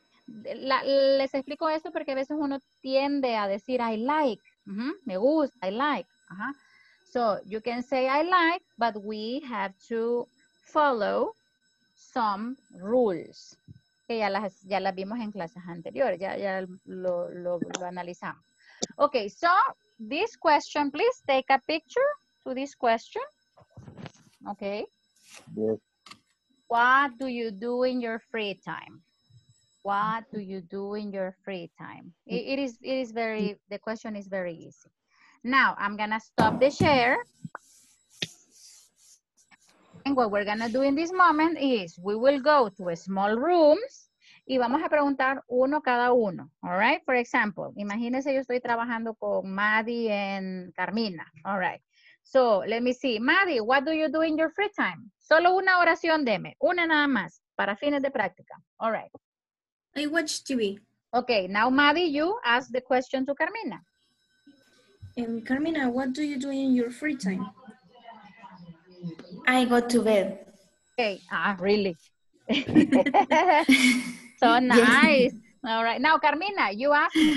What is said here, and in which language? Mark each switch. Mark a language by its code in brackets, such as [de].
[es] Les explico esto porque a veces uno tiende a decir [en] I like. [es] Uh-huh. Me gusta, [en] I like. [es] Uh-huh. [en] So you can say I like, but we have to follow some rules. [es] Que ya las vimos en clases anteriores, ya lo analizamos. [en] Okay, so this question, please take a picture to this question. Okay. Yes. What do you do in your free time? What do you do in your free time? The question is very easy. Now I'm gonna stop the share. And what we're gonna do in this moment is we will go to a small rooms. [es] Y vamos a preguntar uno cada uno, [en] all right? For example, [es] imagínense yo estoy trabajando con Maddie [en] and Carmina, all right? So, let me see. Maddie, what do you do in your free time? [es] Solo una oración deme, una nada más, para fines de práctica, [en] all right? I watch TV. Okay, now Maddie, you ask the question to Carmina. And Carmina, what do you do in your free time? I go to bed. Okay, really? So nice. Yes. All right. Now, Carmina, you ask.